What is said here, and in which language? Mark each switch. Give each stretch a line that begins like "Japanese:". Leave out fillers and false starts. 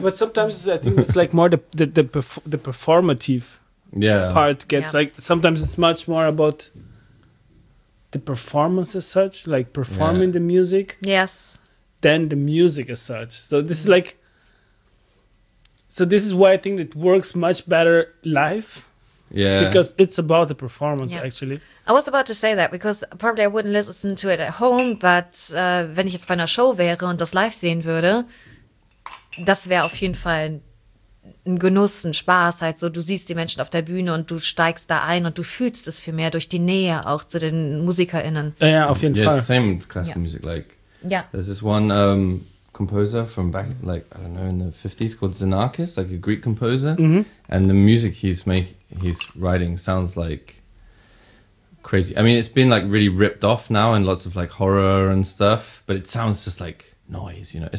English: But sometimes I think it's like more the performative part gets like, sometimes it's much more about the performance as such, like performing the music. Yes. Than the music as such. So this is like, so this is why I think it works much better live. Yeah. Because it's about the performance, yeah. actually. I was about to say that, because probably I wouldn't listen to it at home,
German: but wenn ich jetzt bei einer Show wäre und das live sehen würde, das wäre auf jeden Fall ein Genuss, ein Spaß, halt so, du siehst die Menschen auf der Bühne und du steigst da ein und du fühlst es viel mehr durch die Nähe auch zu den MusikerInnen. Ja, auf jeden Fall.
English: Same with classical yeah. music, like, yeah. there's this one composer from back, like, I don't know, in the 50s called Xenakis, like a Greek composer, mm-hmm. and the music he's writing sounds like crazy. I mean, it's been like really ripped off now in lots of like horror and stuff, but it sounds just like noise, you know?